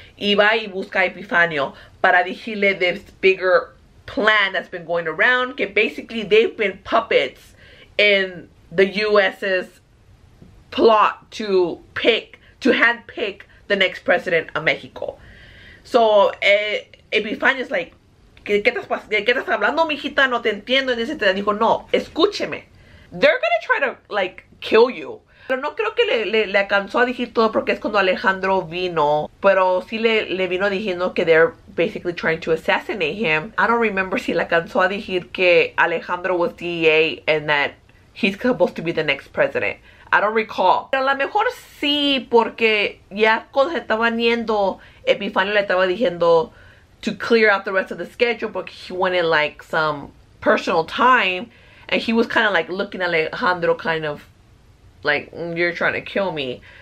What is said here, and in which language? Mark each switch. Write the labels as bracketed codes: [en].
[es] Y va y busca a Epifanio para dirigirle this bigger plan that's been going around. [en] Que basically, they've been puppets in the U.S.'s plot to pick, to handpick the next president of Mexico. So Epifanio is like, ¿Qué estás hablando, mijita? No te entiendo. Y te dijo, no, escúcheme. They're gonna try to, like, kill you. [es] Pero no creo que le alcanzó a decir todo porque es cuando Alejandro vino. Pero sí le vino diciendo que they're basically trying to assassinate him. [en] I don't remember si le alcanzó a decir que Alejandro was DEA and that he's supposed to be the next president. I don't recall. Pero a lo mejor sí, porque ya cuando se estaban yendo, Epifanio le estaba diciendo to clear out the rest of the schedule, but he wanted like some personal time, and he was kind of like looking at Alejandro kind of like, you're trying to kill me.